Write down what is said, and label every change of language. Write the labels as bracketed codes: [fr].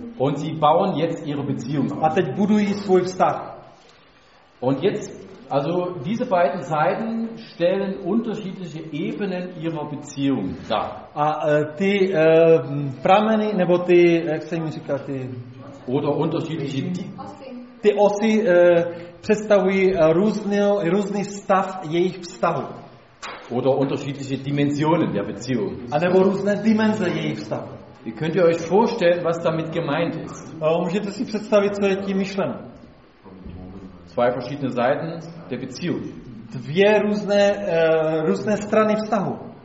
[de] Und sie bauen jetzt ihre Beziehung auf. [cs] A teď budují svůj vztah. [de] Und jetzt, also diese beiden Seiten stellen unterschiedliche Ebenen ihrer Beziehung dar. [cs] A ty prameny, nebo ty, jak se jim říká, ty... [de] Oder unterschiedliche... [cs] Ty osy představují různý stav jejich vztahu. [de] Oder unterschiedliche Dimensionen der Beziehung. [cs] A nebo různé dimenze jejich vztahu. [de] Ihr könnt ihr euch vorstellen, was damit gemeint ist? [cs] Můžete si představit, co je tím myšleno? [de] Zwei verschiedene Seiten der Beziehung. [cs] Dvě různé různé strany vztahu.